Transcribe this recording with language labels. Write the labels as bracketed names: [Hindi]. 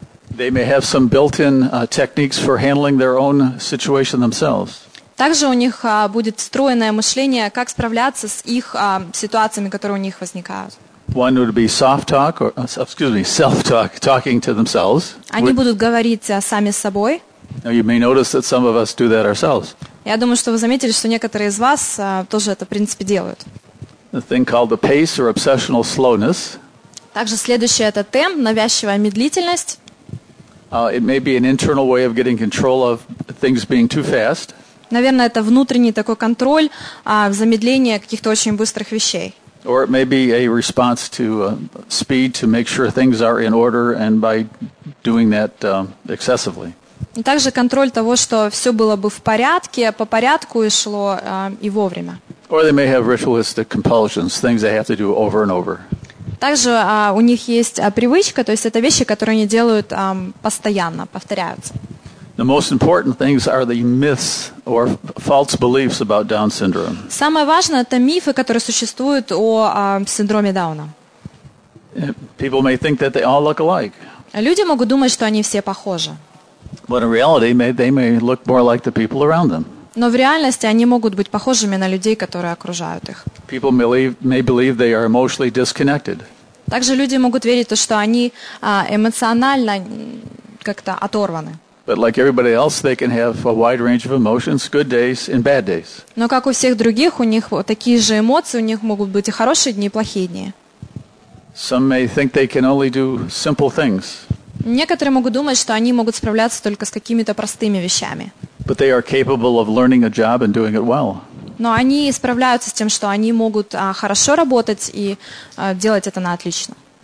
[English] They may have some built-in techniques for handling their own situation themselves. [Russian] Также у них будет встроенное мышление, как справляться с их ситуациями, которые у них возникают. [English] One would be soft talk, or excuse me, self-talk, talking to themselves. [Russian] Они будут говорить сами с собой. [English] Now you may notice that some of us do that ourselves. [Russian] Я думаю, что вы заметили, что некоторые из вас тоже это, в принципе, делают. [English] The thing called the pace or obsessional slowness. [Russian] Также следующее – это темп, навязчивая медлительность. [English] It may be an internal way of getting control of things being too fast. [Russian] Наверное, это внутренний такой контроль, замедление каких-то очень быстрых вещей. [English] Or it may be a response to speed to make sure things are in order and by doing that excessively. [Russian] И также контроль того, что все было бы в порядке, по порядку и шло и вовремя. [English] Or they may have ritualistic compulsions, things they have to do over and over. [Russian] Также у них есть привычка, то есть это вещи, которые они делают постоянно, повторяются. [English] The most important things are the myths or false beliefs about Down syndrome. [Russian] Самое важное – это мифы, которые существуют о синдроме Дауна. [English] People may think that they all look alike. [Russian] Люди могут думать, что они все похожи. [English] But in reality, they may look more like the people around them. [Russian] Но в реальности они могут быть похожими на людей, которые окружают их. [English] People may believe they are emotionally disconnected. [Russian] Также люди могут верить, что они эмоционально как-то оторваны. [English] But like everybody else, they can have a wide range of emotions, good days and bad days. [Russian] Но как у всех других, у них такие же эмоции, у них могут быть и хорошие дни, и плохие дни. [English] Some may think they can only do simple things. [Russian] Некоторые могут думать, что они могут справляться только с какими-то простыми вещами. [English] But they are capable of learning a job and doing it well. [Russian] Но они справляются с тем, что они могут хорошо работать и делать это на отлично.